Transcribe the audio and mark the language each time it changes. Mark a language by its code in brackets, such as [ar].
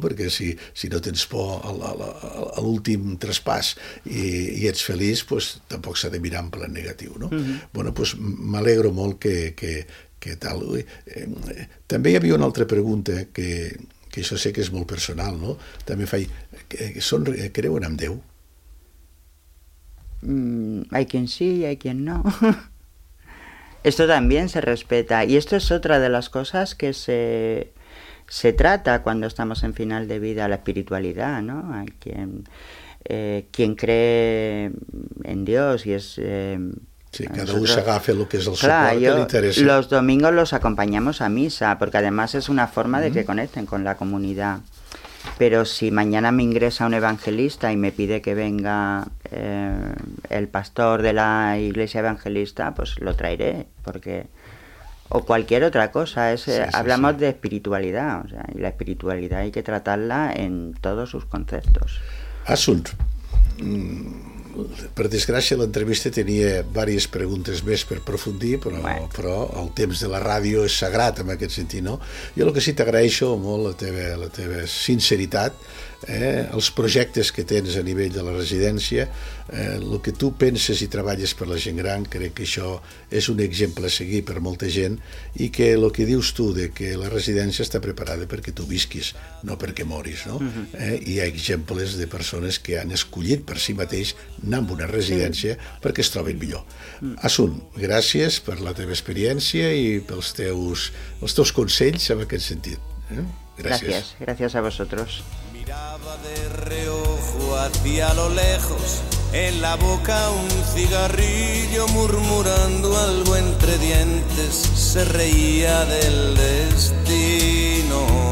[ca] Perquè si no tens por a l'últim traspàs i ets feliç, pues tampoc s'ha de mirar en plan negatiu, no? Bueno, pues m'alegro molt Què tal? També hi havia una altra pregunta que això sé que és molt personal, no? També faig, creuen en Déu? [es] Hay quien sí y hay quien no. Esto también se respeta. Y esto es otra de las cosas que se trata cuando estamos en final de vida, la espiritualidad, ¿no? Hay quien, quien cree en Dios y es... Sí, cada nosotros, uno se agafe lo que es el claro, soporte, que le interesa. Los domingos los acompañamos a misa, porque además es una forma de que conecten con la comunidad. Pero si mañana me ingresa un evangelista y me pide que venga el pastor de la iglesia evangelista, pues lo traeré, porque o cualquier otra cosa. Hablamos de espiritualidad, o sea, y la espiritualidad hay que tratarla en todos sus conceptos. [ca] Assumpt. Per desgràcia, l'entrevista tenia diverses preguntes més per aprofundir, però, però el temps de la ràdio és sagrat en aquest sentit, no? Jo el que sí t'agraeixo molt, la teva sinceritat, els projectes que tens a nivell de la residència, el que tu penses i treballes per la gent gran, crec que això és un exemple a seguir per molta gent, i que el que dius tu de que la residència està preparada perquè tu visquis, no perquè moris, no? Hi ha exemples de persones que han escollit per si mateix anar amb una residència perquè es trobin millor. Assunt, gràcies per la teva experiència i pels teus, consells en aquest sentit. Gràcies a vosaltres. [es] Miraba de reojo hacia lo lejos, en la boca un cigarrillo, murmurando algo entre dientes, se reía del destino.